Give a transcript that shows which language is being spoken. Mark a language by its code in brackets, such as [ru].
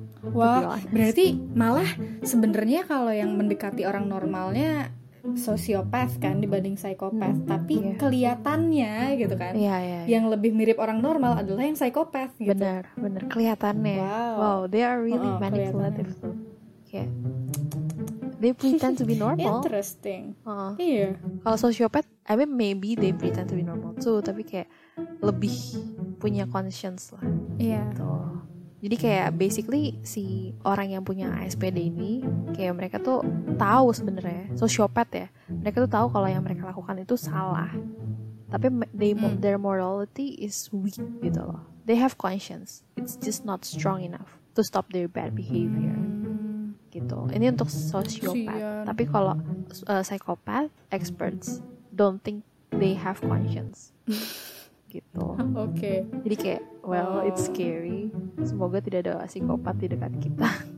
[id] Wah, berarti malah sebenarnya kalau yang mendekati orang normalnya sosiopat kan dibanding psikopat, tapi kelihatannya gitu kan. [en] Yeah. [id] Yang lebih mirip orang normal adalah yang psikopat gitu. Benar, kelihatannya. [en] Wow, they are really manipulative. [id] Kayak [en] they pretend to be normal. Interesting. [id] Kalau [en] sociopath, I mean maybe they pretend to be normal too, [id] tapi kayak lebih punya conscience lah. Gitu. Jadi kayak basically si orang yang punya ASPD ini, kayak mereka tuh tahu sebenarnya sociopath ya. Mereka tuh tahu kalau yang mereka lakukan itu salah. Tapi [en] their morality is weak [id] gitu loh. [en] They have conscience. It's just not strong enough to stop their bad behavior. [id] Gitu. Ini untuk [en] sociopath. [id] Tapi kalau [en] psychopath, experts don't think they have conscience. [id] gitu. Oke. [en] Okay. [id] Jadi kayak, [en] well, it's scary. [id] Semoga tidak ada psikopat di dekat kita.